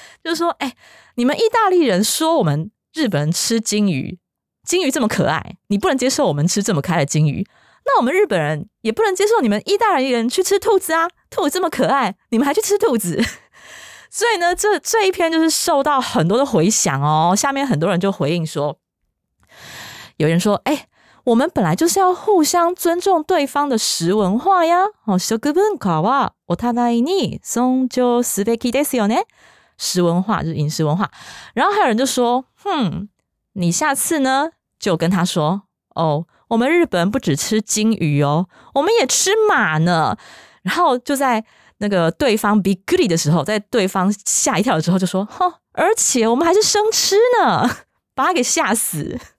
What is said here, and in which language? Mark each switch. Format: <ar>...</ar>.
<zh>就是说，哎，你们意大利人说我们日本人吃鲸鱼，鲸鱼这么可爱，你不能接受我们吃这么可爱的鲸鱼，那我们日本人也不能接受你们意大利人去吃兔子啊，兔子这么可爱，你们还去吃兔子。所以呢，这一篇就是受到很多的回响哦。下面很多人就回应说，有人说，哎，我们本来就是要互相尊重对方的食文化呀。</zh> <ja>哦，食文化はお互いに尊重すべきですよね。</ja> <zh>食文化就是饮食文化。然后还有人就说，哼，你下次呢就跟他说，哦，我们日本不只吃鲸鱼哦，我们也吃马呢。然后就在那个对方 be goodie 的时候，在对方吓一跳的时候就说，哼，而且我们还是生吃呢，把他给吓死。</zh>